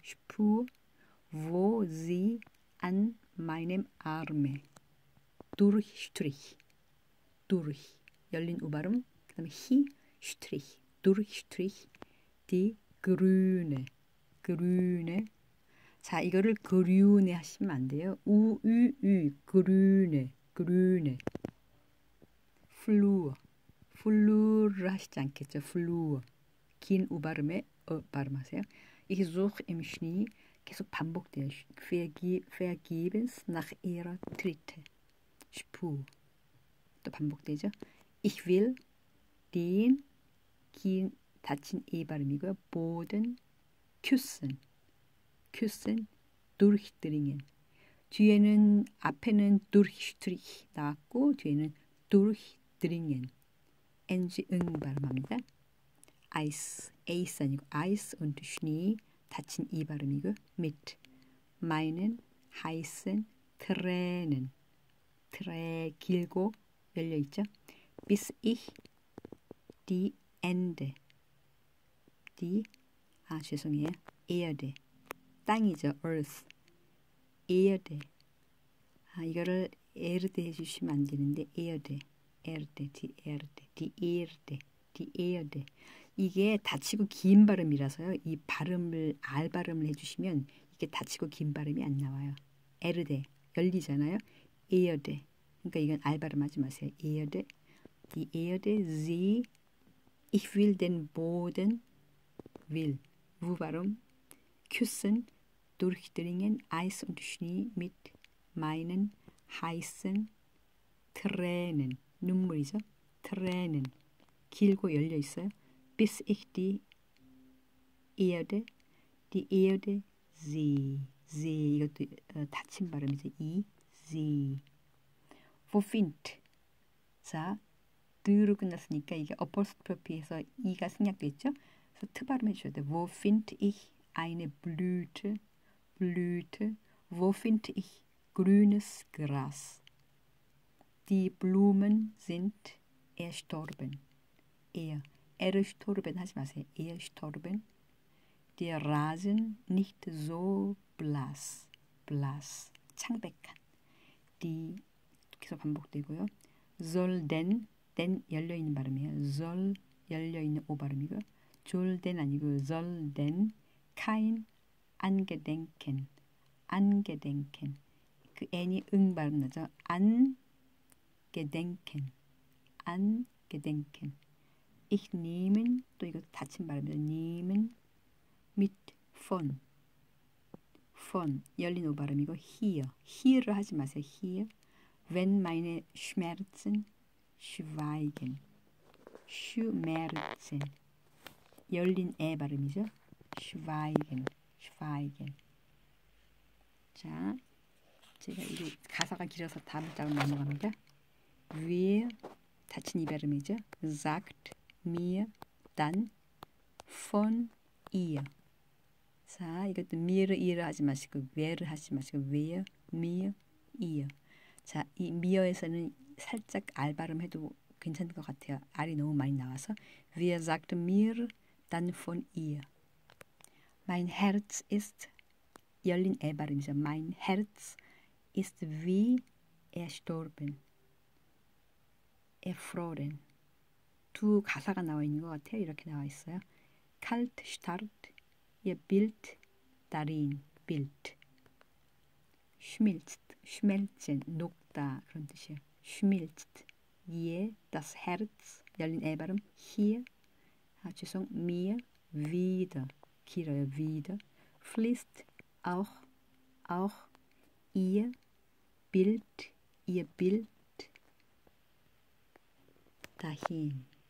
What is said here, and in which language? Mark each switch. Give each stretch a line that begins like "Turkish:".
German: spur wo sie an meinem Arme durchstrich, durch
Korean: 열린 우발음, 그다음에
German: 히 strich, durchstrich die grüne, grüne.
Korean: 자, 이거를 grüne 하시면 안 돼요. u ü ü grüne, grüne. flur, flur 하시지 않겠죠? flur 긴 우발음에 발음하세요.
German: Ich such im Schnee
Korean: 계속 반복돼요.
German: Vergebens nach ihrer Tritte.
Korean: Spur. 또 반복되죠.
German: Ich will den
Korean: 긴 닫힌 E 발음이고요.
German: Boden küssen. Küssen durchdringen.
Korean: 뒤에는 앞에는 durchstrich 나왔고 뒤에는 durchdringen. NG 응 발음합니다. Ice.
German: Ace 아니고 Ice und Schnee.
Korean: 닫힌 이 발음이고
German: mit meinen heißen Tränen
Korean: 트레 길고 열려 있죠.
German: bis ich die Ende die
Korean: 아 죄송해요. Erde 땅이죠. Earth Erde 아 이거를 Erde 해주시면 안 되는데
German: Erde Erde die Erde
Korean: 이게 닫히고 긴 발음이라서요. 이 발음을 R 발음을 해주시면 이게 닫히고 긴 발음이 안 나와요. 에르데 열리잖아요. 에어데. 그러니까 이건 R 발음하지 마세요. 에어데.
German: Die Erde, sie, ich will den Boden, will, wo warum, küssen, durchdringen, Eis und Schnee mit meinen heißen Tränen.
Korean: 눈물이죠. Tränen. 길고 열려 있어요.
German: bis ich die Erde sehe.
Korean: Sehe, 이것도 닫힌 발음이죠.
German: I, sehe. Wo find?
Korean: 자, du로 끝났으니까 이게 어퍼스트로피해서 I가 생략됐죠? 그래서 트 발음해 주셔야 돼요.
German: Wo find ich eine Blüte? Blüte. Wo find ich grünes Gras? Die Blumen sind erstorben. Er.
Korean: Erstorben, 하지 마세요.
German: Erstorben. Der Rasen nicht so blass.
Korean: Blass. 창백한. Die, 계속 반복되고요. Soll denn, denn 열려있는 발음이에요. Soll 열려있는 오발음이고.
German: Soll denn 아니고, soll denn kein Angedenken.
Korean: Angedenken. 그 N이 응 발음 나죠. Angedenken.
German: Angedenken. Ich nehmen,
Korean: 또 이거 닫힌 발음이죠.
German: Nehmen mit von.
Korean: Von, 열린 오 발음이고 hier. Hier를 하지 마세요.
German: Hier. Wenn meine Schmerzen schweigen. Schmerzen.
Korean: 열린 에 발음이죠.
German: Schweigen. Schweigen.
Korean: 자, 제가 이게 가사가 길어서 다음 장으로 넘어갑니다. Wer, 닫힌 이 발음이죠. Sagt.
German: mir dann von ihr.
Korean: 자, 이것도 mir, ihr 하지 마시고 wer 하지 마시고 wer, mir, ihr. 자, 이 mir에서는 살짝 R 발음해도 괜찮은 것 같아요. R이 너무 많이 나와서.
German: Wer sagt mir dann von ihr? Mein Herz ist
Korean: 열린 R 발음이죠.
German: Mein Herz ist wie erstorben. Erfroren.
Korean: 두 가사가 나와 있는 것 같아요. 이렇게 나와 있어요.
German: Kalt start, ihr Bild darin, Bild.
Korean: Schmelzen, 녹다 그런 뜻이에요.
German: Schmilzt. Hier das Herz, 열린 애발음. Hier, 아, 죄송, mir wieder, 길어요, wieder. Fließt auch ihr Bild dahin.